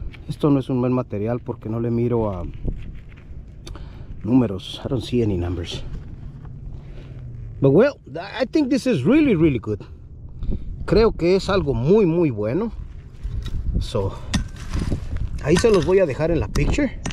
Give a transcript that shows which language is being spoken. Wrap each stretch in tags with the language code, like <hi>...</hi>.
<es>Esto no es un buen material porque no le miro a números.</es> <en>I don't see any numbers. But well, I think this is really, really good.</en> <es>Creo que es algo muy, muy bueno. So, ahí se los voy a dejar en la picture.</es>